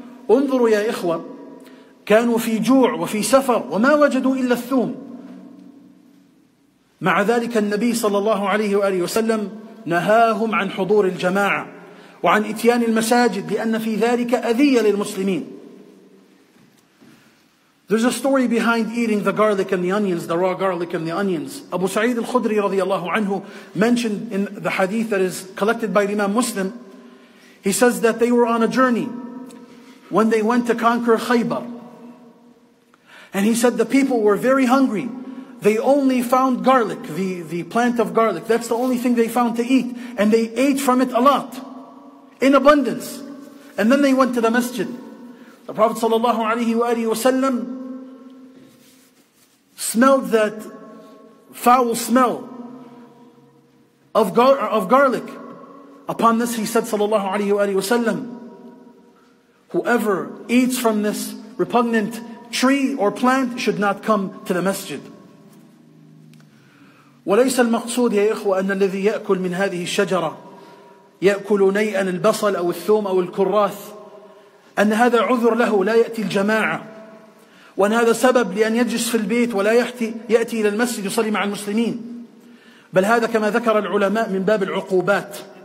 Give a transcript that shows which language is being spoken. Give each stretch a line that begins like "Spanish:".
Arabic: انظروا يا إخوة, كانوا في جوع وفي سفر وما وجدوا إلا الثوم, مع ذلك النبي صلى الله عليه وآله وسلم نهاهم عن حضور الجماعة وعن إتيان المساجد لأن في ذلك أذية للمسلمين.
English: There's a story behind eating the garlic and the onions, the raw garlic and the onions. Abu Sa'id al-Khudri
Arabic: رضي الله عنه
English: mentioned in the hadith that is collected by Imam Muslim. He says that they were on a journey when they went to conquer Khaybar. And he said the people were very hungry. They only found garlic, the plant of garlic. That's the only thing they found to eat. And they ate from it a lot, in abundance. And then they went to the masjid. The Prophet sallallahu alayhi wa alihi wa sallam smelled that foul smell of garlic. Upon this he said sallallahu alayhi wa alihi wa sallam, whoever eats from this repugnant tree or plant should not come to the masjid.
Arabic: وليس المقصود يا إخوة أن الذي يأكل من هذه الشجرة يأكل نيئا البصل أو الثوم أو الكراث أن هذا عذر له لا يأتي الجماعة وأن هذا سبب لأن يجلس في البيت ولا يأتي إلى المسجد يصلي مع المسلمين, بل هذا كما ذكر العلماء من باب العقوبات.